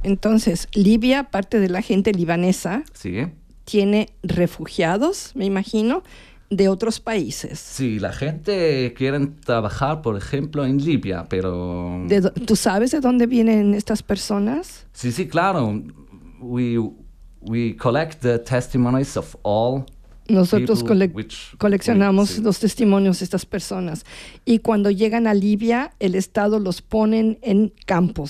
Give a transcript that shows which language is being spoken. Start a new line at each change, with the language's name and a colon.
Spanish: Entonces, Libia, parte de la gente libanesa, sí, tiene refugiados, me imagino, de otros países. Sí, la gente quiere trabajar, por ejemplo, en Libia, pero... ¿Tú sabes de dónde vienen estas personas? Sí, claro.
English: We collect the testimonies of all.
Spanish: Nosotros coleccionamos los testimonios de estas personas. Y cuando llegan a Libia, el Estado los ponen en campos.